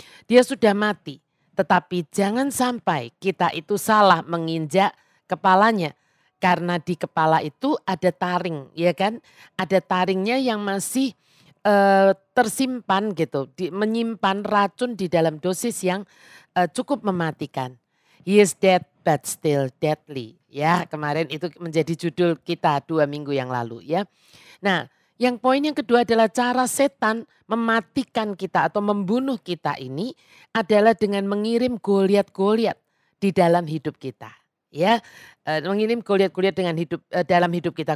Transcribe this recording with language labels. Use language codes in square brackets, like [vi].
[id] Dia sudah mati, tetapi jangan sampai kita itu salah menginjak kepalanya. Karena di kepala itu ada taring, ya kan? Ada taringnya yang masih tersimpan gitu, menyimpan racun di dalam dosis yang cukup mematikan. [en] He is dead but still deadly. [id] Ya, kemarin itu menjadi judul kita dua minggu yang lalu, ya. Nah, yang poin yang kedua adalah cara setan mematikan kita atau membunuh kita ini adalah dengan mengirim goliat-goliat di dalam hidup kita. Ya, mengirim goliat-goliat dengan hidup dalam hidup kita.